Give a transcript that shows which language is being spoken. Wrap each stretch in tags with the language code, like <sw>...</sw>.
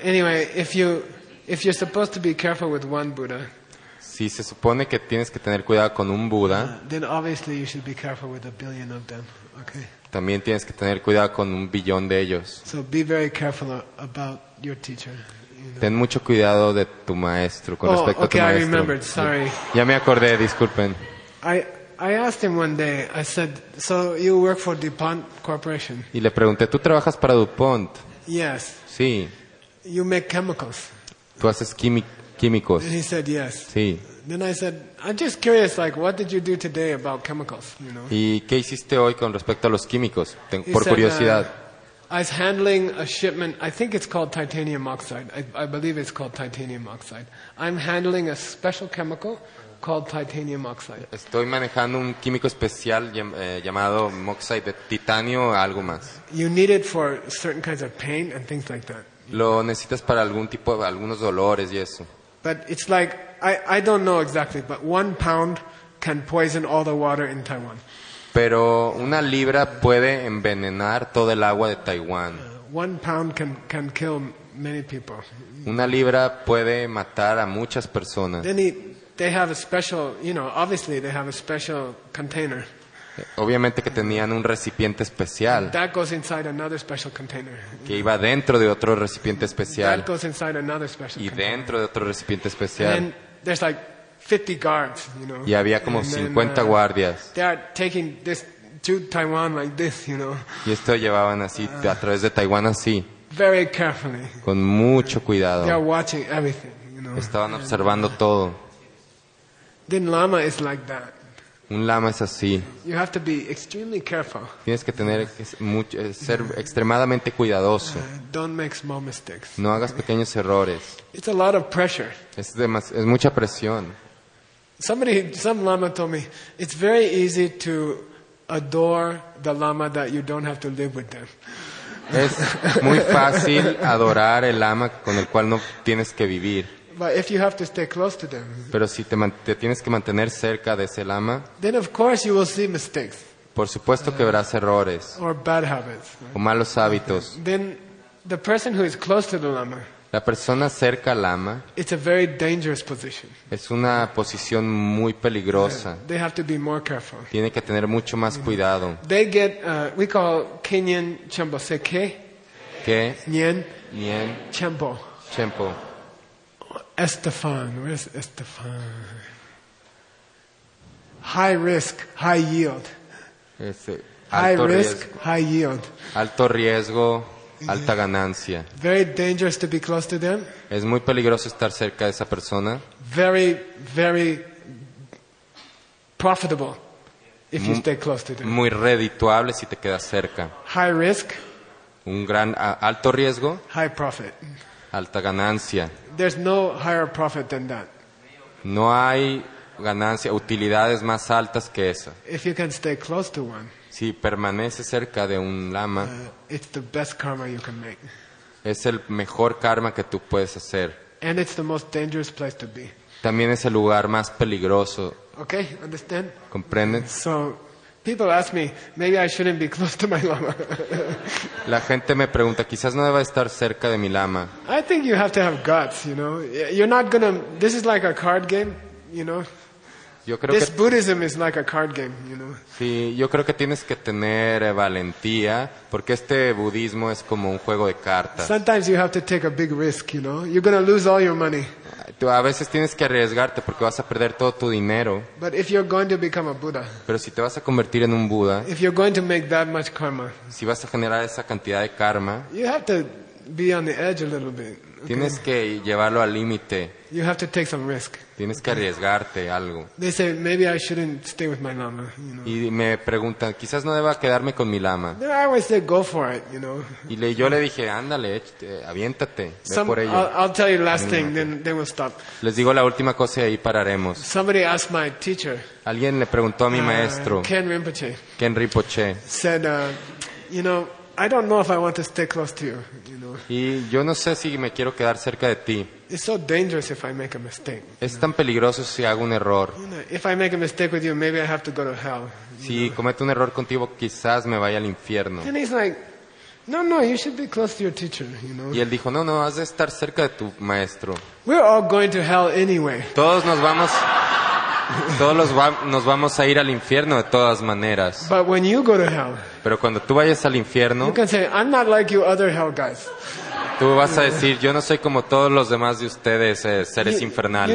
<en>Anyway, if you're supposed to be careful with one Buddha.</en> <es>Si se supone que tienes que tener cuidado con un Buddha.</es> <en>Then obviously you should be careful with a billion of them. Okay.</en> <es>También tienes que tener cuidado con un billón de ellos.</es> <en>So be very careful about your teacher. You know.</en> <es>Ten mucho cuidado de tu maestro con respecto</es> <en>okay,</en> <es>a tu maestro.</es> <en>I remembered. Sorry.</en> <es>Ya me acordé. Disculpen.</es> <en>I asked him one day. I said, "So you work for DuPont Corporation?"</en> <es>Y le pregunté, "¿Tú trabajas para DuPont?"</es> <en>Yes.</en> <es>Sí.</es> <en>You make chemicals.</en> <es>Tú haces químicos.</es> <en>And he said, "Yes."</en> <es>Sí.</es> <en>Then I said, "I'm just curious. Like, what did you do today about chemicals? You know?"</en> <es>¿Y qué hiciste hoy con respecto a los químicos? Por curiosidad.</es> <en>I was handling a shipment. I think it's called titanium oxide. I believe it's called titanium oxide. I'm handling a special chemical called titanium oxide.</en> <es>Estoy manejando un químico especial llamado oxide de titanio o algo más.</es> <en>You need it for certain kinds of pain and things like that.</en> <es>Lo necesitas para algún tipo, algunos dolores y eso.</es> <en>But it's like I don't know exactly, but 1 pound can poison all the water in Taiwan.</en> <es>Pero una libra puede envenenar todo el agua de Taiwán.</es> <en>1 pound can kill many people.</en> <es>Una libra puede matar a muchas personas.</es> <en>Then they have a special, you know, obviously they have a special container.</en> <es>Obviamente que tenían un recipiente especial.</es> <en>That goes inside another special container.</en> <es>Que iba dentro de otro recipiente especial.</es> <en>That goes inside another special container.</en> <es>Y dentro de otro recipiente especial.</es> <en>And then there's like 50 guards, you know.</en> <es>Y había como 50 guardias.</es> <en>They are taking this to Taiwan like this, you know.</en> <es>Y esto llevaban así a través de Taiwán así.</es> <en>Very carefully.</en> <es>Con mucho cuidado.</es> <en>They are watching everything, you know.</en> <es>Estaban observando todo.</es> <en>Then lama is like that.</en> <es>Un lama es así.</es> <en>You have to be extremely careful.</en> <es>Tienes que tener ser extremadamente cuidadoso.</es> <en>Don't make small mistakes.</en> <es>No hagas pequeños errores.</es> <en>It's a lot of pressure.</en> <es>Es mucha presión.</es> <en>Some lama told me, it's very easy to adore the lama that you don't have to live with them.</en> <es>Es muy fácil adorar el lama con el cual no tienes que vivir.</es> <en>But if you have to stay close to them,</en> <es>pero si te tienes que mantener cerca de ese lama,</es> <en>then of course you will see mistakes.</en> <es>Por supuesto que verás errores.</es> <en>Or bad habits.</en> <es>O malos hábitos.</es> <en>Then the person who is close to the lama,</en> <es>la persona cerca al lama,</es> <en>it's a very dangerous position.</en> <es>Es una posición muy peligrosa.</es> <en>They have to be more careful.</en> <es>Tiene que tener mucho más cuidado.</es> <en>They get we call Kenyan chembo. Say ke.</en> <bo>Ke. Nyen. Nyen. Chembo. Chembo.</bo> <en>Estefan, where's Estefan? High risk, high yield. High risk, high yield.</en> <es>Alto riesgo, alta ganancia.</es> <en>Very dangerous to be close to them.</en> <es>Es muy peligroso estar cerca de esa persona.</es> <en>Very, very profitable if you stay close to them.</en> <es>Muy redituable si te quedas cerca.</es> <en>High risk.</en> <es>Un gran alto riesgo.</es> <en>High profit.</en> <es>Alta ganancia.</es> <en>There's no higher profit than that.</en> <es>No hay ganancia, utilidades más altas que esa.</es> <en>If you can stay close to one,</en> <es>si permaneces cerca de un lama,</es> <en>it's the best karma you can make.</en> <es>Es el mejor karma que tú puedes hacer.</es> <en>And it's the most dangerous place to be.</en> <es>También es el lugar más peligroso.</es> <en>Okay, understand?</en> <es>¿Comprenden?</es> <en>So, people ask me, maybe I shouldn't be close to my lama.</en> <es>La gente me pregunta, quizás no deba estar cerca de mi lama.</es> <en>I think you have to have guts, you know. You're not gonna. This is like a card game, you know.</en> <es>Yo creo</es> <en>this Buddhism is like a card game, you know.</en> <es>Sí, yo creo que tienes que tener valentía, porque este budismo es como un juego de cartas.</es> <en>Sometimes you have to take a big risk, you know. You're gonna lose all your money.</en> <es>Tú a veces tienes que arriesgarte porque vas a perder todo tu dinero.</es> <en>But if you're going to become a Buddha,</en> <es>pero si te vas a convertir en un Buda,</es> <en>if you're going to make that much karma,</en> <es>si vas a generar esa cantidad de karma,</es> <en>you have to be on the edge a little bit.</en> <es>Tienes que llevarlo al límite.</es> <en>You have to take some risk.</en> <es>Tienes que arriesgarte algo.</es> <en>They say maybe I shouldn't stay with my lama, you know.</en> <es>Y me preguntan, quizás no deba quedarme con mi lama.</es> <en>Then I always say go for it, you know.</en> <es>Y le, yo le dije, ándale, aviéntate, ve</es> <en>some,</en> <es>por ello.</es> <en>I'll tell you the last thing, then we'll stop.</en> <es>Les digo la última cosa y ahí pararemos.</es> <en>Somebody asked my teacher.</en> <es>Alguien le preguntó a mi maestro. Ken Rinpoche.</es> <en>Said, you know, I don't know if I want to stay close to you, you know.</en> <es>Y yo no sé si me quiero quedar cerca de ti.</es> <en>It's so dangerous if I make a mistake.</en> <es>Es tan peligroso si hago un error.</es> <en>You know, if I make a mistake with you, maybe I have to go to hell.</en> <es>Si cometo un error contigo, quizás me vaya al infierno.</es> <en>And he's like, no, you should be close to your teacher, you know.</en> <es>Y él dijo, no, has de estar cerca de tu maestro.</es> <en>We're all going to hell anyway.</en> <es>Todos nos vamos. Nos vamos a ir al infierno de todas maneras.</es> <en>But when you go to hell,</en> <es>pero cuando tú vayas al infierno,</es> <en>you can say, I'm not like you other hell guys.</en> <es>Tú vas a decir, yo no soy como todos los demás de ustedes, seres infernales.</es>